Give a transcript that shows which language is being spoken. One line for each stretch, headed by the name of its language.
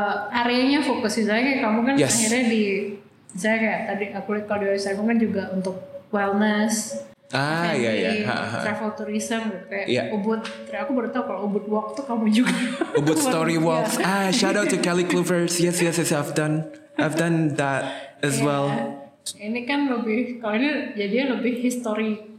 Indonesian: Areanya fokus, misalnya kayak kamu kan akhirnya di, misalnya kayak tadi aku lihat kalau di website kamu kan juga untuk wellness, travel tourism gitu, kayak Ubud. Terus aku baru tahu kalau Ubud Walk tuh kamu juga.
English: Ubud Story Walks. Shout out to Kelly Clovers. Yes, I've done that as well.
Indonesian: Ini kan lebih, kalau ini jadinya lebih history.